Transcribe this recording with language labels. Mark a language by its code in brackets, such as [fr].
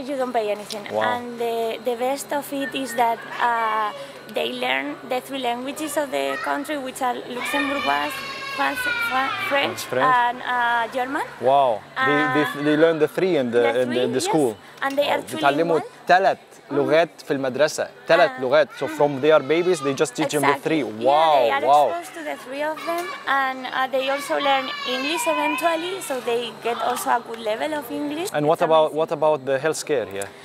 [en] You don't pay anything. Wow. And the best of it is that they learn the three languages of the country, which are Luxembourgeois, French, and German. Wow. They learn the three in the school. Yes. And they are trilingual. [ar] لغات في المدرسة، ثلاث لغات. [en] So from their babies they just teach exactly. them the three. Wow. Yeah, they are exposed to the three of them and they also learn English eventually, so they get also a good level of English. And what about the health care here?